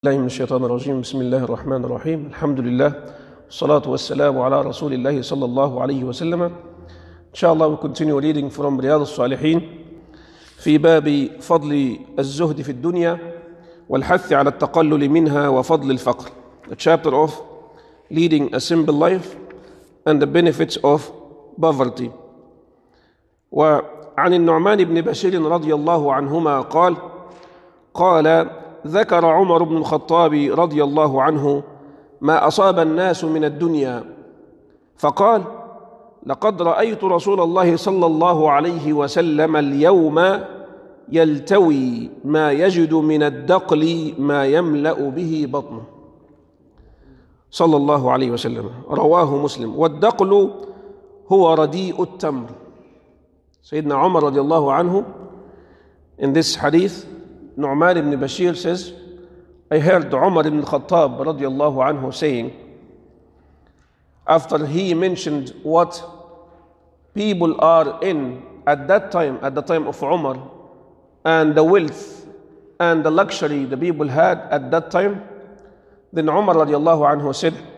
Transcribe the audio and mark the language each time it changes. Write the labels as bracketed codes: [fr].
[ar] بسم الله الشيطان الرجيم. بسم الله الرحمن الرحيم. الحمد لله والصلاة والسلام على رسول الله صلى الله عليه وسلم. إن شاء الله [en] we continue reading from [ar] رياض الصالحين في باب فضل الزهد في الدنيا والحث على التقلل منها وفضل الفقر. [en] A chapter of leading a simple life and the benefits of poverty. [ar] وعن النعمان بن بشير رضي الله عنهما قال قال ذكر عمر بن الخطاب رضي الله عنه ما أصاب الناس من الدنيا فقال لقد رأيت رسول الله صلى الله عليه وسلم اليوم يلتوي ما يجد من الدقل ما يملأ به بطنه صلى الله عليه وسلم. رواه مسلم. والدقل هو رديء التمر. سيدنا عمر رضي الله عنه [en] in this hadith Nu'man ibn Bashir says, I heard Umar ibn Khattab radiallahu anhu saying, after he mentioned what people are in at that time, at the time of Umar, and the wealth and the luxury the people had at that time, then Umar radiallahu anhu said,